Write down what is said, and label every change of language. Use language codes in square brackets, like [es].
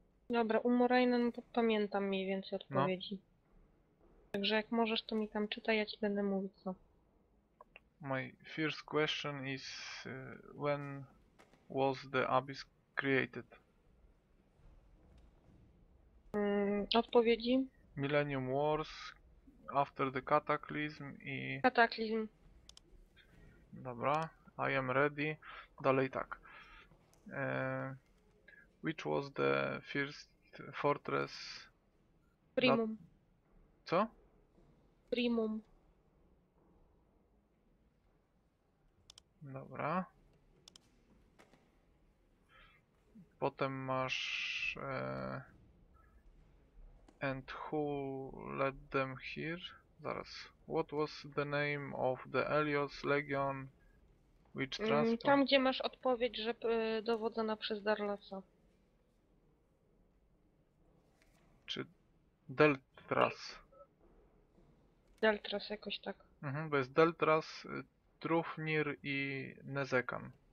[pl] Dobra, u Moreinen pamiętam mniej więcej odpowiedzi. No. Także jak możesz, to mi tam czytaj, ja ci będę mówić co. [en] My first question is when was the abyss created? [pl] Odpowiedzi? [en] Millennium Wars, after the cataclysm i... Cataclysm. [pl] Dobra, [en] I am ready. [pl] Dalej tak. [en] Which was the first fortress? Primum. [pl] That... Co? Primum. Dobra. Potem masz... [en] And who led them here? [pl] Zaraz. [en] What was the name of the Elios Legion? Which transport? [pl] Tam gdzie masz odpowiedź, że dowodzona przez Darlasa. Czy... Deltras. Deltras, jakoś tak. Bo jest Deltras, Trufnir i Nezekan.